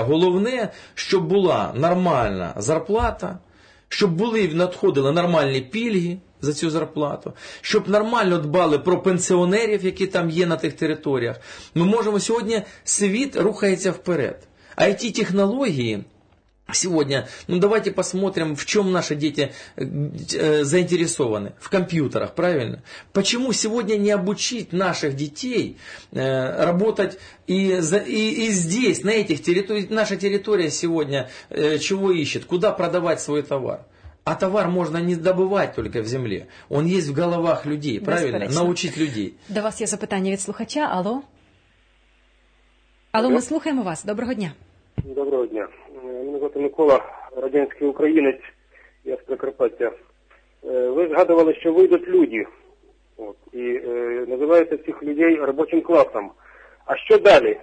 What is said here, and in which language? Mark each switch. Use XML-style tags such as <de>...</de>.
<uk>Головне, щоб була нормальна зарплата, щоб були надходили нормальні пільги за цю зарплату, щоб нормально дбали про пенсіонерів, які там є на тих територіях. Ми можемо сьогодні, світ рухається вперед. А ті технології,</uk> <ru>Сегодня, ну давайте посмотрим, в чем наши дети заинтересованы. В компьютерах, правильно? Почему сегодня не обучить наших детей работать и здесь, на этих территориях? Наша территория сегодня чего ищет? Куда продавать свой товар? А товар можно не добывать только в земле. Он есть в головах людей, правильно? Безперечно. Научить людей.</ru> <uk>До вас є запитання від слухача. Алло. Алло, ми слухаємо вас. Доброго дня. Доброго дня. Мене звати Микола, радянський українець, я з Прикарпаття. Ви згадували, що вийдуть люди. От, і називаєте цих людей робочим класом. А що далі?</uk>